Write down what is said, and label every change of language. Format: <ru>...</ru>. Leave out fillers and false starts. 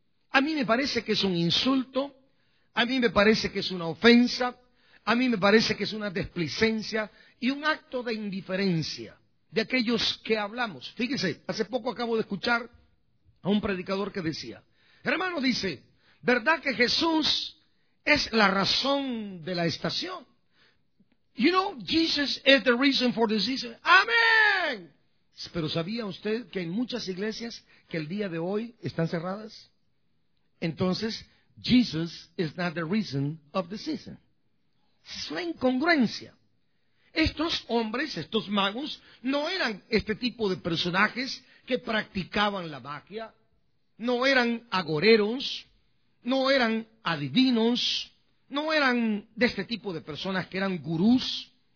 <es>A mí me parece que es un insulto, a mí me parece que es una ofensa, a mí me parece que es una desplicencia y un acto de indiferencia de aquellos que hablamos. Fíjese, hace poco acabo de escuchar a un predicador que decía, hermano, dice, ¿verdad que Jesús es la razón de la estación?</es> <en>You know, Jesus is the reason for the season.</en> <es>¡Amén! Pero ¿sabía usted que hay muchas iglesias que el día de hoy están cerradas? Entonces,</es> <en>Jesus is not the reason of the season.</en> <es>Es una incongruencia. Estos hombres, estos magos, no eran este tipo de personajes que practicaban la magia. No eran agoreros. No eran adivinos. No eran de este tipo de personas que eran gurús.</es>